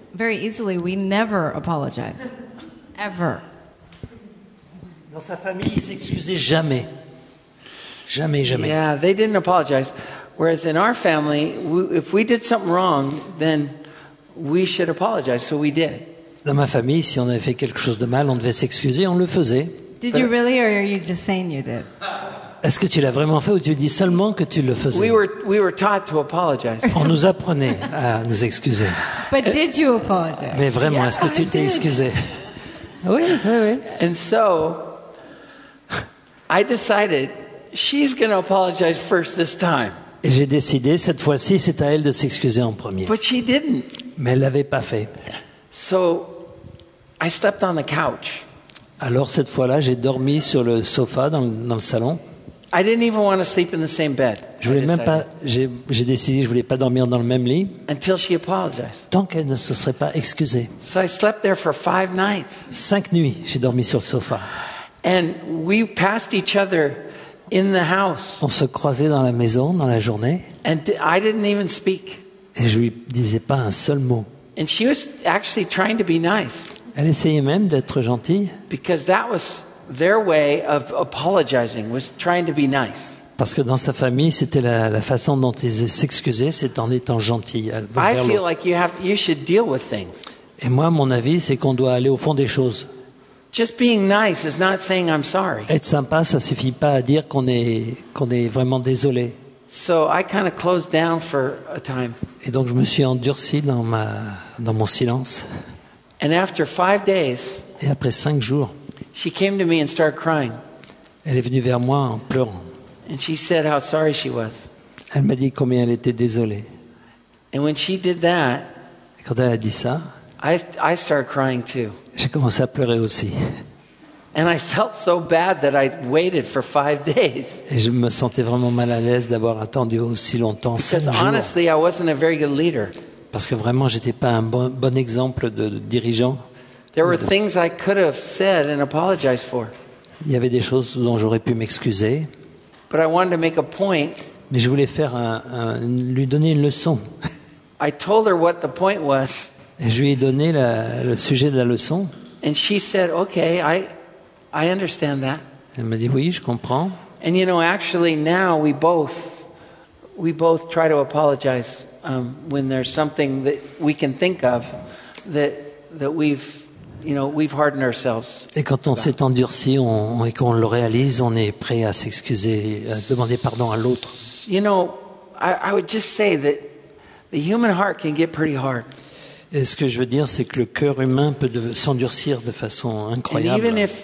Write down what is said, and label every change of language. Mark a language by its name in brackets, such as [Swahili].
[English] Very easily, we never apologize. Ever. [French] Dans sa famille, ils s'excusaient jamais. Jamais, jamais. [English] Yeah, they didn't apologize. Whereas in our family, if we did something wrong, then we should apologize. So we did. [French] Dans ma famille, si on avait fait quelque chose de mal, on devait s'excuser, on le faisait. [English] Did you really, or are you just saying you did? [French] Est-ce que tu l'as vraiment fait ou tu dis seulement que tu le faisais? [English] We were taught to apologize. [French] On nous apprenait à nous excuser. [English] But did you apologize? [French] Mais vraiment, [English] yeah, [French] est-ce que tu [English] I [French] t'es [English] did. [French] Excusé? Oui, oui, oui. [English] And so, I decided she's going to apologize first this time. [French] Et j'ai décidé, cette fois-ci, c'est à elle de s'excuser en premier. [English] But she didn't. [French] Mais elle ne l'avait pas fait. [English] So, I slept on the couch. [French] Alors, cette fois-là, j'ai dormi sur le sofa dans le salon. [English] I didn't even want to sleep in the same bed. [French] Je voulais même pas. J'ai décidé, je voulais pas dormir dans le même lit. [English] Until she apologized. [French] Tant qu'elle ne se serait pas excusée. [English] So I slept there for 5 nights. [French] 5 nuits, j'ai dormi sur le sofa. [English] And we passed each other in the house. [French] On se croisait dans la maison dans la journée. [English] And I didn't even speak. [French] Et je lui disais pas un seul mot. [English] And she was actually trying to be nice. [French] Elle essayait même d'être gentille. [English] Because that was their way of apologizing, was trying to be nice. [French] Parce que dans sa famille, c'était la façon dont ils s'excusaient, c'est en étant gentils. [English] I feel like you should deal with things. [French] Et moi, mon avis, c'est qu'on doit aller au fond des choses. [English] Just being nice is not saying I'm sorry. [French] Être sympa, ça suffit pas à dire qu'on est vraiment désolé. [English] So I kind of closed down for a time. [French] Et donc je me suis endurci dans mon silence. [English] And after 5 days, [French] et après 5 jours, [English] she came to me and started crying. [French] Elle est venue vers moi en pleurant. [English] And she said how sorry she was. [French] Elle m'a dit combien elle était désolée. [English] And when she did that, [French] et quand elle a dit ça, [English] I started crying too. [French] J'ai commencé à pleurer aussi. [English] And I felt so bad that I waited for 5 days. [French] Et je me sentais vraiment mal à l'aise d'avoir attendu aussi longtemps. [English] Because [French] 5 jours. [English] Honestly, I wasn't a very good leader. [French] Parce que vraiment, j'étais pas un bon exemple de dirigeant. [English] There were things I could have said and apologized for. [French] Il y avait des choses dont j'aurais pu m'excuser. [English] But I wanted to make a point. [French] Mais je voulais faire lui donner une leçon. [English] I told her what the point was. [French] Et je lui ai donné le sujet de la leçon. [English] And she said, "Okay, I understand that." [French] Elle m'a dit oui, je comprends. [English] And you know, actually, now we both try to apologize when there's something that we can think of that we've hardened ourselves. [French] Et quand on s'est endurci et qu'on le réalise, on est prêt à s'excuser, à demander pardon à l'autre. [English] You know, I would just say that the human heart can get pretty hard. [French] Et ce que je veux dire, c'est que le cœur humain peut s'endurcir de façon incroyable.